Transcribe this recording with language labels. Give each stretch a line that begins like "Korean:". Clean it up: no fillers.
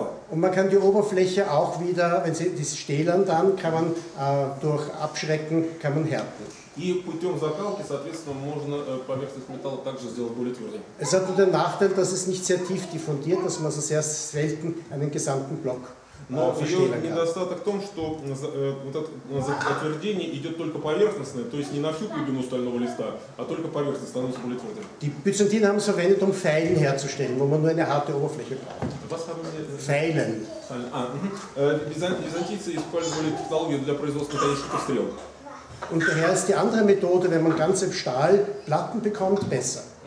German: Und man kann die Oberfläche auch wieder, wenn sie das stehlen, dann kann man durch Abschrecken kann man härten.
Russian: И путем закалки, соответственно, можно поверхность металла также сделать более твердой.
German: Es hat den Nachteil, dass es nicht sehr tief diffundiert, dass man so sehr selten einen gesamten Block verstehlen kann.
Russian: Но недостаток в том, что затвердение идет только поверхностное, то есть не на всю глубину стального листа, а только поверхность становится более твердой.
German: Die Byzantiner haben es verwendet, um Feilen herzustellen, wo man nur eine harte Oberfläche braucht. Was haben Sie? Feilen.
Russian: Византийцы использовали технологию для производства конических стрел.
German: Und daher ist die andere Methode, wenn man ganze Stahlplatten bekommt, besser.